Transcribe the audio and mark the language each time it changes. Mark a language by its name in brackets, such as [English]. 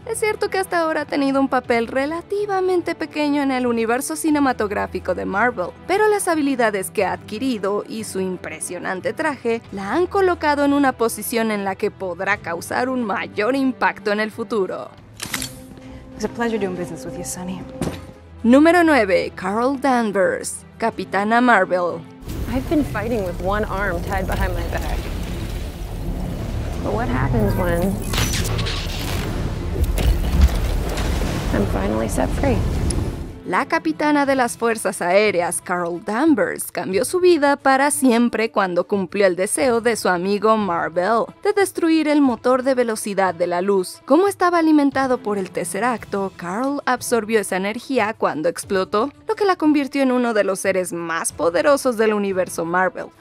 [Spanish] Es cierto que hasta ahora ha tenido un papel relativamente pequeño en el universo cinematográfico de Marvel, pero las habilidades que ha adquirido y su impresionante traje la han colocado en una posición en la que podrá causar un mayor impacto en el futuro. [English] It's a pleasure doing business with you, Sonny. [Spanish] Número 9. Carol Danvers, Capitana Marvel. [English] I've been fighting with one arm tied behind my back. But what happens when I'm finally set free? [Spanish] La capitana de las Fuerzas Aéreas, Carol Danvers, cambió su vida para siempre cuando cumplió el deseo de su amigo Mar-Vell de destruir el motor de velocidad de la luz. Como estaba alimentado por el Tesseract, Carol absorbió esa energía cuando explotó, lo que la convirtió en uno de los seres más poderosos del universo Marvel.